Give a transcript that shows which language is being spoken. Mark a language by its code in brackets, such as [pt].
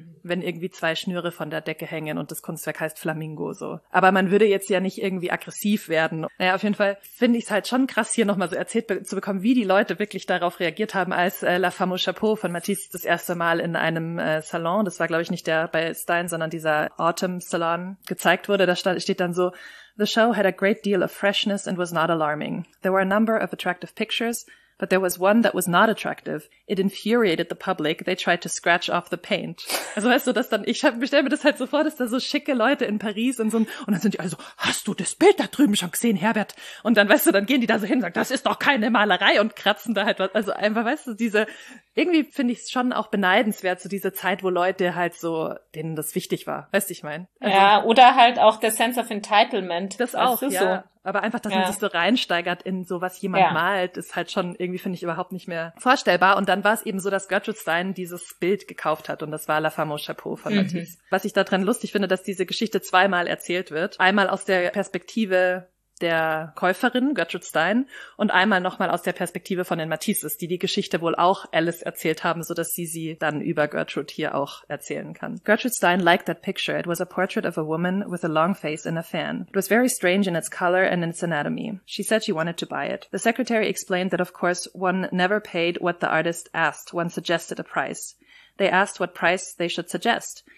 [de] Wenn irgendwie zwei Schnüre von der Decke hängen und das Kunstwerk heißt Flamingo, so. Aber man würde jetzt ja nicht irgendwie aggressiv werden. Naja, auf jeden Fall finde ich es halt schon krass, hier nochmal so erzählt zu bekommen, wie die Leute wirklich darauf reagiert haben, als La Femme au Chapeau von Matisse das erste Mal in einem Salon, das war glaube ich nicht der bei Stein, sondern dieser Autumn Salon, gezeigt wurde. [en] Da steht dann so, "The show had a great deal of freshness and was not alarming. There were a number of attractive pictures, but there was one that was not attractive. It infuriated the public. They tried to scratch off the paint." [de] Also weißt du, dass dann, ich stelle mir das halt so vor, dass da so schicke Leute in Paris und so, und dann sind die also, hast du das Bild da drüben schon gesehen, Herbert? Und dann, weißt du, dann gehen die da so hin und sagen, das ist doch keine Malerei, und kratzen da halt was. Also einfach, weißt du, diese, irgendwie finde ich es schon auch beneidenswert, so diese Zeit, wo Leute halt so, denen das wichtig war. Weißt du, ich meine? Also, ja, oder halt auch der [en] Sense of Entitlement. [de] Das auch, ja. So. Aber einfach, dass man sich so reinsteigert in so, was jemand malt, ist halt schon irgendwie, finde ich, überhaupt nicht mehr vorstellbar. Und dann war es eben so, dass Gertrude Stein dieses Bild gekauft hat. Und das war La Femme au Chapeau von Matisse. Was ich da drin lustig finde, dass diese Geschichte zweimal erzählt wird. Einmal aus der Perspektive der Käuferin, Gertrude Stein, und einmal nochmal aus der Perspektive von den Matisses, die die Geschichte wohl auch Alice erzählt haben, so dass sie sie dann über Gertrude hier auch erzählen kann. [en] Gertrude Stein liked that picture. It was a portrait of a woman with a long face in a fan. It was very strange in its color and in its anatomy. She said she wanted to buy it. The secretary explained that, of course, one never paid what the artist asked. One suggested a price. They asked what price they should suggest.